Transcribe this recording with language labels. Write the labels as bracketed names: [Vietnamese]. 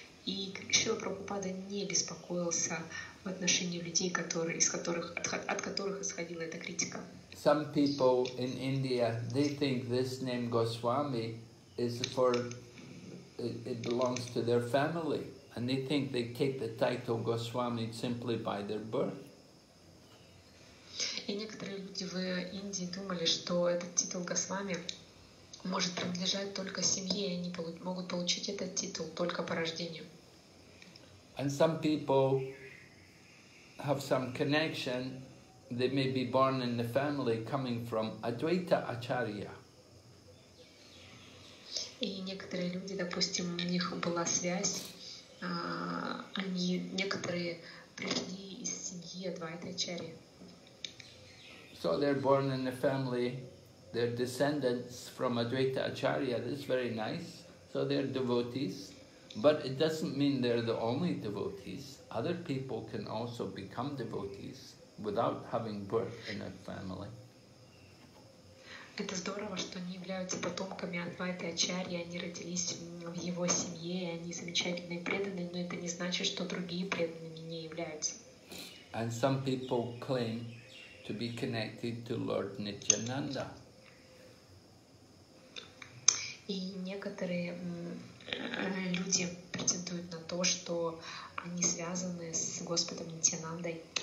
[Russian] И Шрила Прабхупада не беспокоился в отношении людей, от которых исходила эта критика. [English] Some people in India, they think this name Goswami is for it belongs to their family, and they think they take the title Goswami simply by their birth. [Russian] И некоторые люди в Индии думали, что этот титул Госвами может принадлежать только семье, и они могут получить этот титул только по рождению. [English] And some people have some connection, they may be born in the family coming from Advaita Acharya. [Russian] И некоторые люди, допустим, у них была связь, они некоторые пришли из семьи Адвайта Ачарьи. [English] So they're born in a family, they're descendants from Advaita Acharya, that's very nice. So they're devotees, but it doesn't mean they're the only devotees. Other people can also become devotees without having birth in a family. [Russian] Это здорово, что они являются потомками Адвайты Ачарьи, они родились в его семье, и они замечательные преданные, но это не значит, что другие преданными не являются. [English] And some people claim to be connected to Lord Nityananda. [Russian] И некоторые люди претендуют на то, что они связаны с Господом Нитянандой.